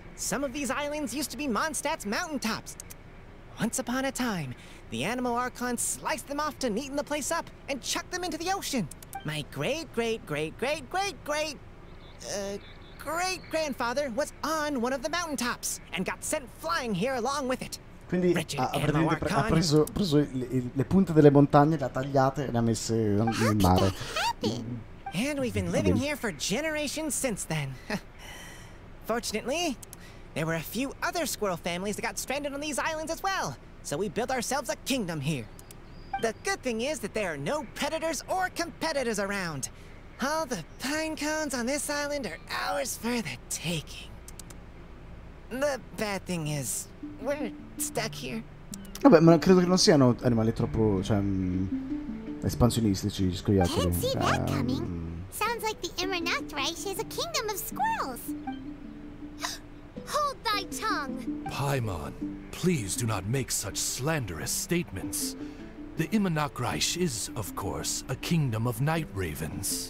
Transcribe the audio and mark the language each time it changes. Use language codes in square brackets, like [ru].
[en] Some of these islands used to be Mondstadt's mountaintops. Once upon a time, the Animo Archon sliced them off to neaten the place up and chucked them into the ocean. My great-great-great-great-great-great-grandfather was on one of the mountaintops and got sent flying here along with it. [it] Quindi ha preso le punte delle montagne, le ha tagliate e le ha messe in mare. [en] And we've been living here for generations since then. Fortunately, there were a few other squirrel families that got stranded on these islands as well. So we built ourselves a kingdom here. The good thing is that there are no predators or competitors around. All the pine cones on this island are ours for the taking. The bad thing is, we're stuck here. [it] Vabbè, ma credo che non siano animali troppo, cioè, espansionistici, scoiattoli. [en] Can't see that coming. Sounds like the Imranathraish is a kingdom of squirrels. Hold thy tongue! Paimon, please do not make such slanderous statements. The Imranathraish is, of course, a kingdom of night ravens.